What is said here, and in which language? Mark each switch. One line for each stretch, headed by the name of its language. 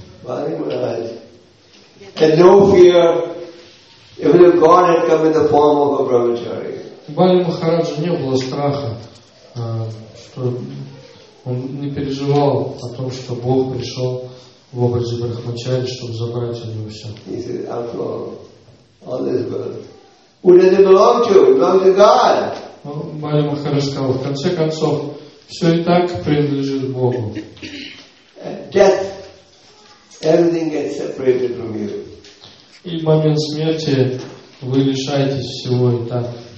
English: Бали Махараджа. And no fear. Even if God had come in the form of a brahmachari.
Russian: Бали Махараджа не было страха, что он не переживал о том, что Бог пришел в образе брахмачари, чтобы забрать у него все.
English: He said, after all this birth, who does it belong to? It belongs to God.
Russian: Бали Махараджа сказал, в конце концов, все и так принадлежит Богу.
English: Death, everything gets separated from you.
Russian: И в момент смерти вы лишаетесь всего и так.